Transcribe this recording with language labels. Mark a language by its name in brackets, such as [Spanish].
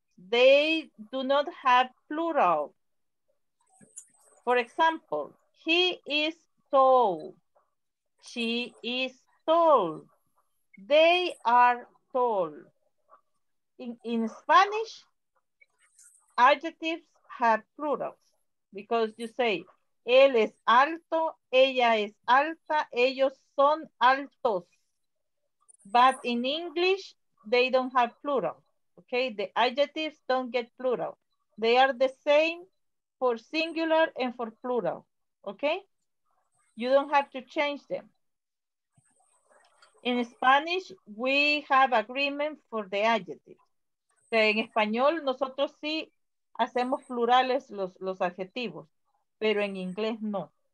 [English] They do not have plural. For example, he is tall. She is tall. They are tall. In Spanish, adjectives have plurals because you say [Spanish] Él es alto, ella es alta, ellos son altos. [English] But in English, they don't have plural. Okay, the adjectives don't get plural. They are the same for singular and for plural. Okay, you don't have to change them. In Spanish, we have agreement for the adjectives. [Spanish] So en español, nosotros sí hacemos plurales los adjetivos, pero en inglés no.